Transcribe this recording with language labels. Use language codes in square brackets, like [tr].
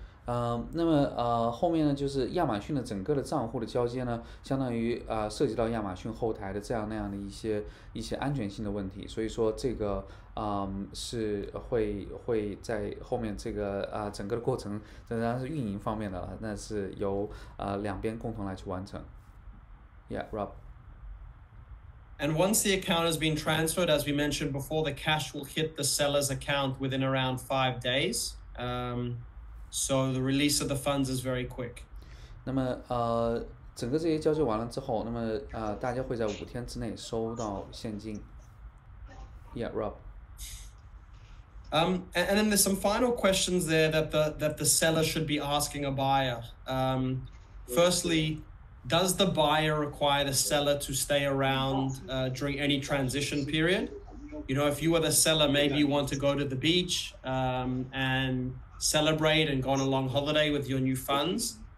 [zh] 那么后面呢，就是亚马逊的整个的账户的交接呢，相当于涉及到亚马逊后台的这样那样的一些安全性的问题，所以说这个是会在后面这个整个的过程仍然是运营方面的了，那是由两边共同来去完成。 [en] Yeah，Rob。 And once the account has been transferred, as we mentioned before, the cash will hit the seller's account within around 5 days. So the release of the funds is very quick. [zh] 那么整个这些交接完了之后，那么大家会在5天之内收到现金。 [en] Yeah，Rob。 And then there's some final questions there that the seller should be asking a buyer. Firstly, does the buyer require the seller to stay around during any transition period? You know, if you were the seller, maybe you want to go to the beach and celebrate and go on a long holiday with your new funds.